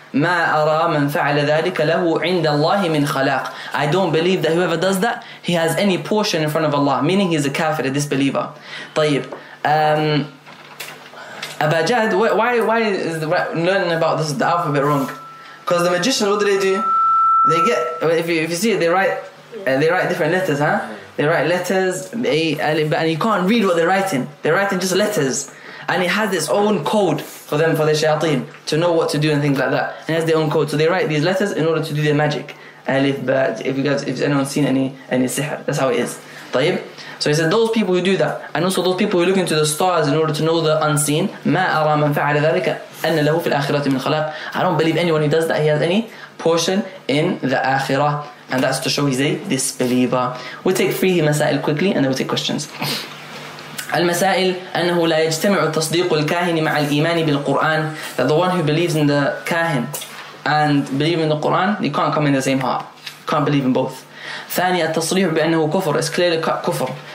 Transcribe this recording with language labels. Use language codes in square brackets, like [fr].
[ar] ما أرى من فعل ذلك له عند الله من خلاق. [en] I don't believe that whoever does that, he has any portion in front of Allah. Meaning he's a kafir, a disbeliever. طيب. Abu Jahd, why is the learning about this the alphabet wrong? Because the magicians, what do? They get, if you see it, they write different letters, huh? They write letters, and you can't read what they're writing. They're writing just letters, and it has its own code for them, for the shayateen, to know what to do and things like that. It has their own code, so they write these letters in order to do their magic. alif ba, if you guys, if anyone's seen any sihr, that's how it is. طيب. So he said, those people who do that, and also those people who look into the stars in order to know the unseen, [ar] ما أرى من فعل ذلك أن له في الآخرة من خلاق. [en] I don't believe anyone who does that, he has any portion in the Akhirah. And that's to show he's a disbeliever. We'll take three masail quickly and then we'll take questions. [ar] المسائل أنه لا يجتمع التصديق الكاهن مع الإيمان بالقرآن. [en] That the one who believes in the kahin and believe in the Quran, they can't come in the same heart. Can't believe in both. [ar] ثانية التصريح بأنه كفر [en] is clearly [ar] كفر.